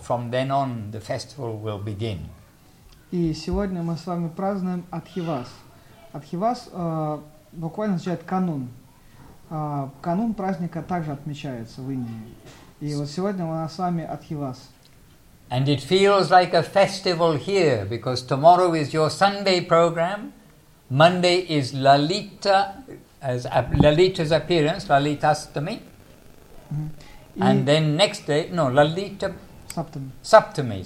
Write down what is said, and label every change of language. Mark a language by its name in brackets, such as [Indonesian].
[English] From then on, the festival will begin. [Russian] И сегодня мы с вами празднуем Адхивас. Адхивас буквально означает канун. Канун праздника также отмечается в Индии. И вот сегодня у нас с вами Адхивас. [English] And it feels like a festival here, because tomorrow is your Sunday program. Monday is Lalita. As Lalita's appearance, Lalita Astami, mm-hmm. And then next day, no, Lalita Saptami.